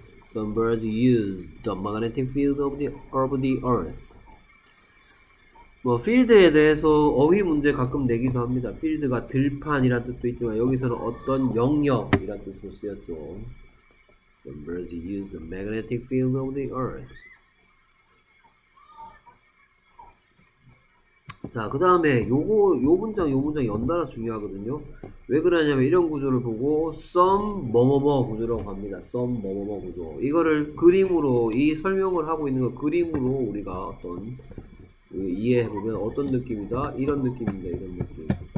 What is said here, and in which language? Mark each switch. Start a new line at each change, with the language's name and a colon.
English: Some birds use the magnetic field of the earth.
Korean: 뭐 필드에 대해서 어휘 문제 가끔 내기도 합니다. 필드가 들판이라는 뜻도 있지만 여기서는 어떤 영역이라는 뜻으로 쓰였죠.
English: Some birds use the magnetic field of the earth.
Korean: 자, 그 다음에 요 문장, 요 문장 연달아 중요하거든요. 왜 그러냐면 이런 구조를 보고 some 뭐뭐뭐 구조라고 합니다. some 뭐뭐뭐 구조. 이거를 그림으로 이 설명을 하고 있는 거 그림으로 우리가 어떤 이해해보면 어떤 느낌이다? 이런 느낌입니다. 이런 느낌.